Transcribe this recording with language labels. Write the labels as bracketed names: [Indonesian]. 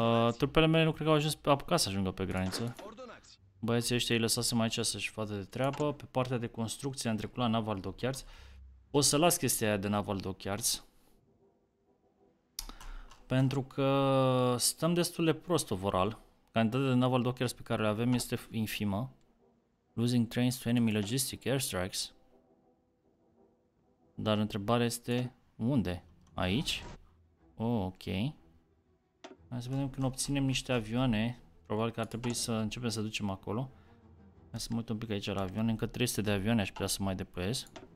[Romanian] Trupele mele nu cred că au ajuns apucat să ajungă pe graniță. Băieții ăștia îi lăsasem aici să-și facă de treabă. Pe partea de construcție am trecut la Naval Dockyards. O să las chestia aia de Naval Dockyards, pentru că stăm destul de prost overall. Cantitatea de Naval Dockyards pe care le avem este infimă. [English] Losing trains to enemy logistic airstrikes. [Romanian] Dar întrebarea este unde? Aici? Oh, ok. Hai să vedem când obținem niște avioane. Probabil că ar trebui să începem să ducem acolo. Hai să mă uit un pic aici la avioane. Încă 300 de avioane aș putea să mai depăiesc.